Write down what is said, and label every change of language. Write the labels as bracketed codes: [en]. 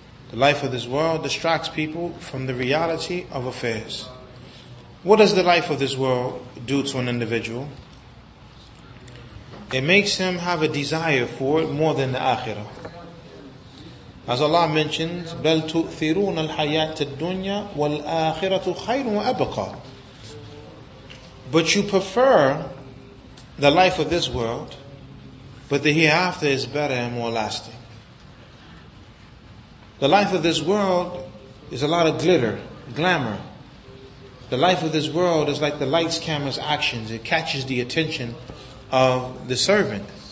[en] The life of this world distracts people from the reality of affairs. What does the life of this world do to an individual? It makes him have a desire for it more than the akhirah. [ar] As Allah mentions, بَلْ تُؤْثِرُونَ الْحَيَاةِ الدُّنْيَا وَالْآخِرَةُ خَيْرٌ وَأَبْقَى. [en] But you prefer the life of this world, but the hereafter is better and more lasting. The life of this world is a lot of glitter, glamour. The life of this world is like the lights, cameras, actions. It catches the attention of the servant.